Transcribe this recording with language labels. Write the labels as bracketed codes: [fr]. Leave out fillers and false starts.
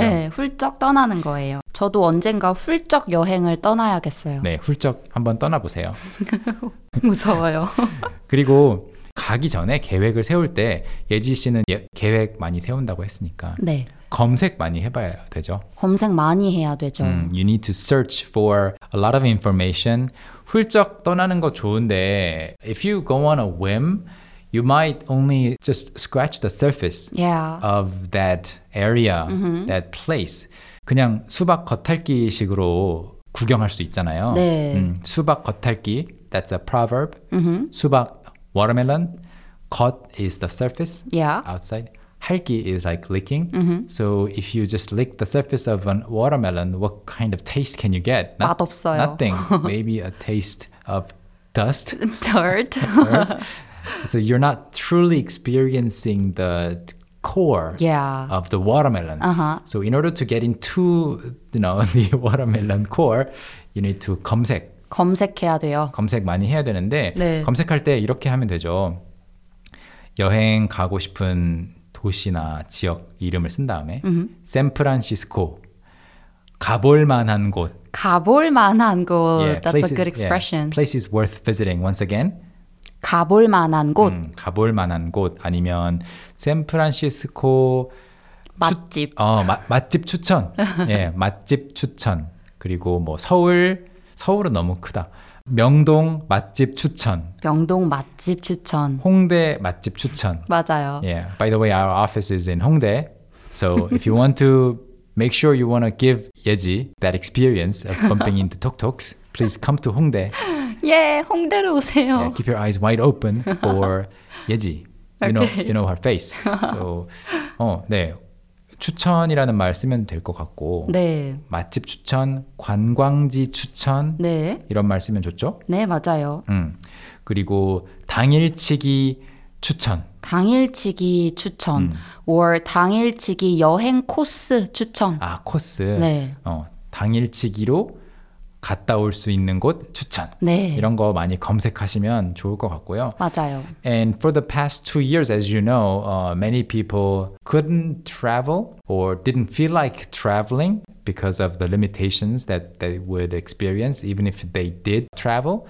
[ko] 네, 훌쩍 떠나는 거예요. 저도 언젠가 훌쩍 여행을 떠나야겠어요. 네, 훌쩍 한번 떠나보세요. 무서워요. 그리고 가기 전에 계획을 세울 때 예지 씨는 계획 많이 세운다고 했으니까 네. 검색 많이 해봐야 되죠. 검색 많이 해야 되죠. [en] You need to search for a lot of information. [ko] 훌쩍 떠나는 거 좋은데 [en] if you go on a whim, you might only just scratch the surface yeah. of that area, mm-hmm. that place. [ko] 그냥 수박 겉핥기 식으로 구경할 수 있잖아요. 네. 수박 겉핥기, [en] that's a proverb. Mm-hmm. 수박, watermelon, 겉 is the surface, yeah. outside. 핥기 is like licking. Mm-hmm. So if you just lick the surface of a watermelon, what kind of taste can you get? Not, [ko] 맛없어요. [en] Nothing. Maybe a taste of dust. Dirt. So you're not truly experiencing the core yeah. of the watermelon. Uh-huh. So in order to get into, you know, the watermelon core, you need to 검색. [ko] 검색해야 돼요. 검색 많이 해야 되는데 네. 검색할 때 이렇게 하면 되죠. 여행 가고 싶은 도시나 지역 이름을 쓴 다음에 mm-hmm. 샌프란시스코 가볼 만한 곳. 가볼 만한 곳. [en] Yeah, That's places, a good expression. Yeah, places worth visiting once again. [ko] 가볼 만한 곳. 가볼 만한 곳 아니면 샌프란시스코 맛집. 맛집 추천. 예, 맛집 추천. 그리고 뭐 서울. 서울은 너무 크다. 명동 맛집 추천. 명동 맛집 추천. 홍대 맛집 추천. 맞아요. [en] Yeah. By the way, our office is in 홍대. So if you want to make sure you want to give 예지 that experience of bumping into Tok Toks, please come to 홍대. [ko] 예, 홍대로 오세요. [en] Yeah, keep your eyes wide open for 예지. You know her face. So, 네. [ko] 추천이라는 말 쓰면 될 것 같고 네. 맛집 추천, 관광지 추천 네. 이런 말 쓰면 좋죠? 네, 맞아요. 그리고 당일치기 추천 당일치기 추천 or 당일치기 여행 코스 추천 아, 코스 네. 당일치기로 갔다 올 수 있는 곳 추천 네. 이런 거 많이 검색하시면 좋을 것 같고요. 맞아요. [en] And for the past 2 years, as you know, many people couldn't travel or didn't feel like traveling because of the limitations that they would experience even if they did travel.